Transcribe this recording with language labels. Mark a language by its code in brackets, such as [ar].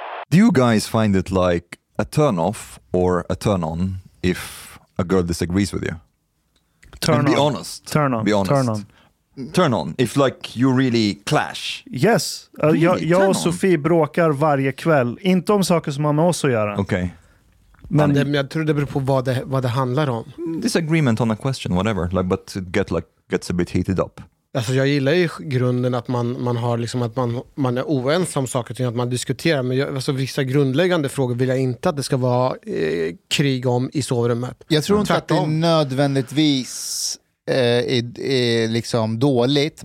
[en] Do you guys find it like a turn off or a turn on if a girl disagrees with you? Turn on. Be honest. Turn on. Be honest. Turn on. Turn on if like you really clash. Yes. Really? [sv] Jag och Sofie bråkar varje kväll. Inte om saker som har med oss att göra. [en] Okay. [sv] Men jag tror det beror på vad det handlar om. [en] Disagreement on a question, whatever. Like, but it gets a bit heated up. [sv] Alltså jag gillar ju grunden att man har liksom att man är oense om saker och ting, att man diskuterar. Men alltså vissa grundläggande frågor vill jag inte att det ska vara krig om i sovrummet. Jag tror inte att det är nödvändigtvis är liksom dåligt.